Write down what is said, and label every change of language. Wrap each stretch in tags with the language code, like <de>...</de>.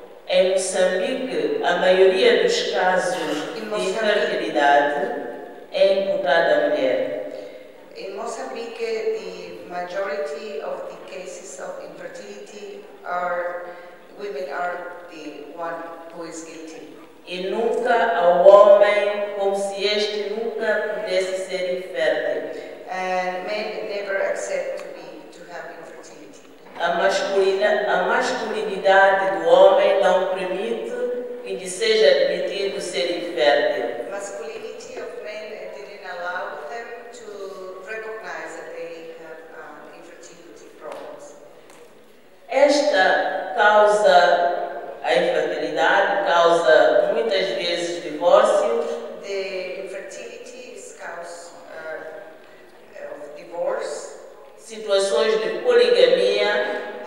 <pt>Em Moçambique, a maioria dos casos de fertilidade é imputada à mulher.</pt> <en>In Mozambique, the majority of the cases of infertility are women are the one who is guilty.</en> <pt>E nunca ao homem, como se este nunca pudesse ser infértil.</pt> <en>And men never accept to be, to have infertility.</en> <pt>A masculinidade do homem não permite que lhe seja admitido ser infértil.</pt> <en>Masculinity of men didn't allow them to recognize that they have infertility problems.</en> <pt>Esta causa a infertilidade causa muitas vezes divórcio.</pt> <en>The infertility is cause of divorce.</en> <pt>Situações de poligamia.</pt>